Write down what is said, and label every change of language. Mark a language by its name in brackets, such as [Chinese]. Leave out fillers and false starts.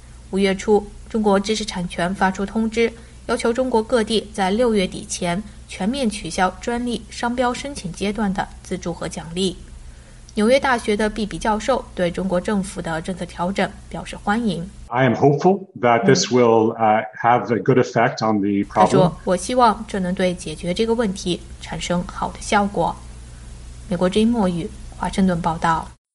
[Chinese] 五月初，中国知识产权发出通知，要求中国各地在六月底前全面取消专利商标申请阶段的资助和奖励。纽约大学的毕比教授对中国政府的政策调整表示欢迎。 [English] I am hopeful that this will have a good effect on the problem. [Chinese] 他说，我希望这能对解决这个问题产生好的效果。美国之音墨语，华盛顿报道。